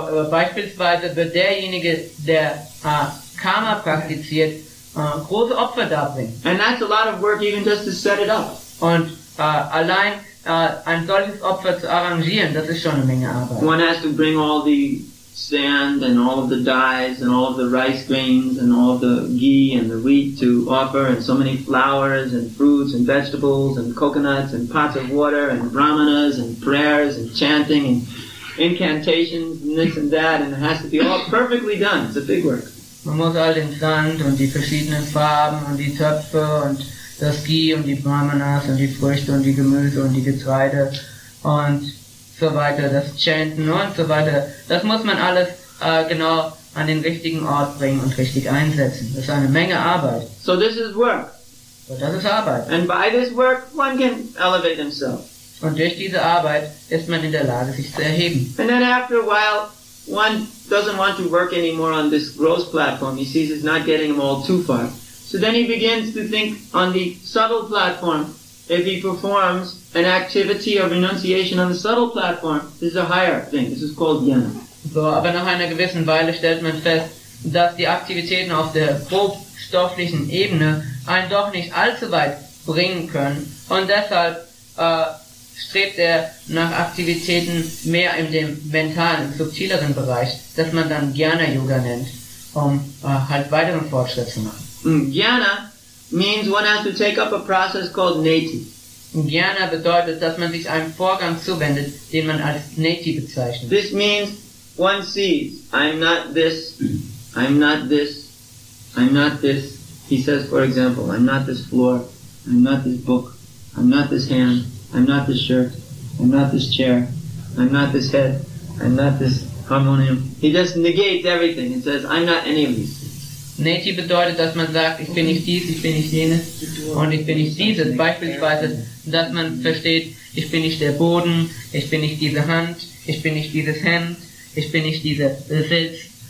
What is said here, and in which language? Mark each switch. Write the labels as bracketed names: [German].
[German] Beispielsweise wird derjenige, der Karma praktiziert, große Opfer darbringen. [English] And that's a lot of work even just to set it up. [German] Und allein ein solches Opfer zu arrangieren, das ist schon eine Menge Arbeit. [English] One has to bring all the sand and all of the dyes and all of the rice grains and all of the ghee and the wheat to offer and so many flowers and fruits and vegetables and coconuts and pots of water and brahmanas and prayers and chanting and incantations and this and that, and it has to be all perfectly done. It's a big work. [German] Man muss all den Sand und die verschiedenen Farben und die Töpfe und das Ghee und die Brahmanas und die Früchte und die Gemüse und die Getreide und so weiter, das Chanten und so weiter, das muss man alles genau an den richtigen Ort bringen und richtig einsetzen. Das ist eine Menge Arbeit. [English] So this is work. [German] So das ist Arbeit. [English] And by this work one can elevate himself. [German] Und durch diese Arbeit ist man in der Lage, sich zu erheben. [English] And then after a while one doesn't want to work anymore on this gross platform. He sees it's not getting him all too far. So then he begins to think on the subtle platform. If he performs an activity of renunciation on the subtle platform, this is a higher thing. This is called jnana. [German] So, aber nach einer gewissen Weile stellt man fest, dass die Aktivitäten auf der grobstofflichen Ebene einen doch nicht allzu weit bringen können. Und deshalb strebt er nach Aktivitäten mehr in dem mentalen, subtileren Bereich, das man dann Jnana-Yoga nennt, um halt weiteren Fortschritt zu machen. [English] Jnana means one has to take up a process called neti. [German] Jnana bedeutet, dass man sich einem Vorgang zuwendet, den man als neti bezeichnet. [English] This means one sees, I'm not this, I'm not this, I'm not this. He says, for example, I'm not this floor, I'm not this book, I'm not this hand, I'm not this shirt, I'm not this chair, I'm not this head, I'm not this harmonium. He just negates everything and says, I'm not any of these. [German] Neti bedeutet, dass man sagt, ich bin nicht dies, ich bin nicht jenes und ich bin nicht dieses. Beispielsweise, dass man versteht, ich bin nicht der Boden, ich bin nicht diese Hand, ich bin nicht dieses Hemd, ich bin nicht dieser Sitz.